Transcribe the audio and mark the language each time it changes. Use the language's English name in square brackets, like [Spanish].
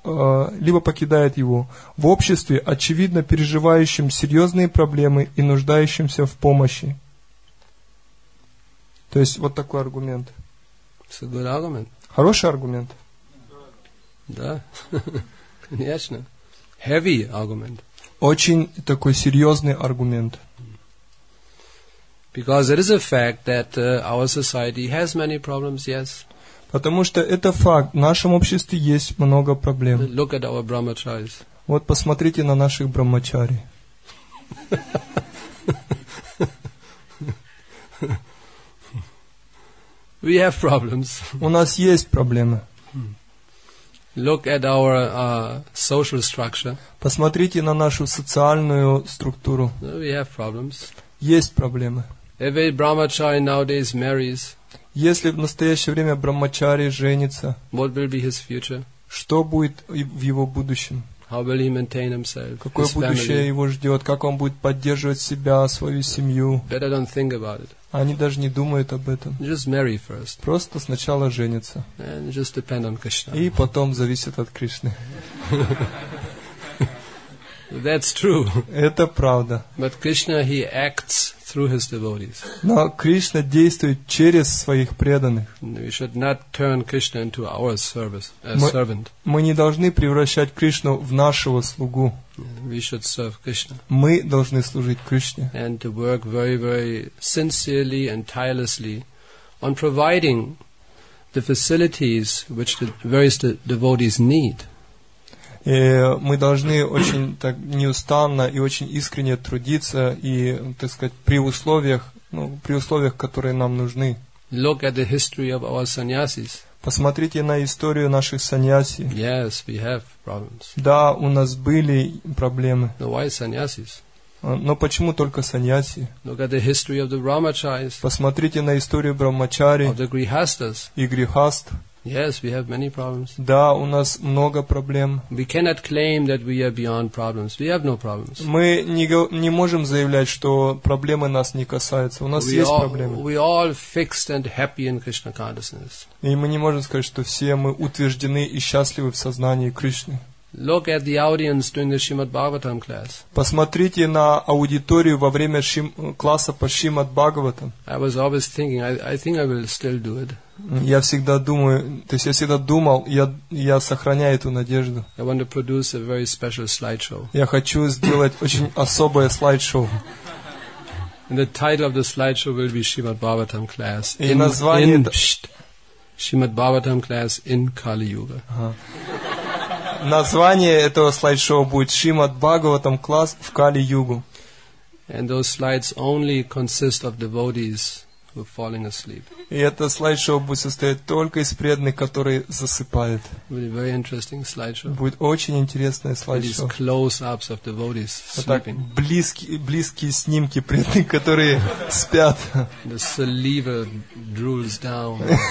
[Russian] В обществе, очевидно, переживающем серьезные проблемы и нуждающимся в помощи. То есть вот такой аргумент. [English] It's a good argument. [Russian] Хороший аргумент. Да, конечно. [English] Heavy argument. [Russian] Очень такой серьезный аргумент. [English] Because it is a fact that our society has many problems, yes. [Russian] Потому что это факт. В нашем обществе есть много проблем. [English] But look at our brahmacharis. [Russian] Вот посмотрите на наших брахмачари. [English] We have problems. [Russian] У нас есть проблемы. [English] Look at our social structure. [Russian] Посмотрите на нашу социальную структуру. [English] We have problems. [Russian] Есть проблемы. [English] If a brahmachari nowadays marries, [Russian] если в настоящее время брахмачари женится, [English] what will be his future? [Russian] Что будет в его будущем? How will he maintain himself? Какое будущее его ждет? Как он будет поддерживать себя, свою семью? [English] Better don't think about it. [Russian] Они даже не думают об этом. [English] Just marry first. [Russian] Просто сначала женится. [English] And just depend on Krishna. [Russian] И потом зависит от Кришны. [English] That's true. [Russian] Это правда. [English] But Krishna, he acts through his devotees. [Russian] Но Кришна действует через своих преданных. [English] We should not turn Krishna into our servant. [Russian] Мы не должны превращать Кришну в нашего слугу. [English] We should serve Krishna. [Russian] Мы должны служить Кришне. [English] And to work very, very sincerely and tirelessly on providing the facilities which the various devotees need. [Russian] И мы должны очень так неустанно и очень искренне трудиться и, так сказать, при условиях, которые нам нужны. [English] Look at the history of our sannyasis. [Russian] Посмотрите на историю наших саньяси. [English] Yes, we have problems. [Russian] Да, у нас были проблемы. [English] But why sannyasis? [Russian] Но почему только саньяси? [English] Look at the history of the brahmacharis. [Russian] Посмотрите на историю брахмачари. [English] Of the grihasthas. [Russian] И грихаст. [English] Yes, we have many problems. [Russian] Да, у нас много проблем. [English] We cannot claim that we are beyond problems. We have no problems. [Russian] Мы не можем заявлять, что проблемы нас не касаются. У нас есть проблемы. [English] We all fixed and happy in Krishna consciousness. [Russian] И мы не можем сказать, что все мы утверждены и счастливы в сознании Кришны. [English] Look at the audience during the Shrimad Bhagavatam class. [Russian] Посмотрите на аудиторию во время класса по Шримад Бхагаватам. [English] I was always thinking, I think I will still do it. [Russian] Я всегда думаю, то есть я всегда думал, я сохраняю эту надежду. [English] I want to produce a very special slideshow. [Russian] Я хочу сделать очень особое слайд-шоу. [English] And the title of the slideshow will be Shrimad Bhagavatam class. [Russian] И название [English] Shrimad Bhagavatam class in Kali Yuga. [Russian] Название этого слайд-шоу будет «Шримад Бхагаватам класс в Кали-югу». [English] And those slides only consist of devotees who are falling asleep. [Russian] И это слайд-шоу будет состоять только из преданных, которые засыпают. [English] Will be very interesting slideshow. [Russian] Будет очень интересное слайд-шоу. [English] These close-ups of devotees sleeping. [Russian] Вот так, близкие снимки преданных, которые спят. [English] The saliva drools down.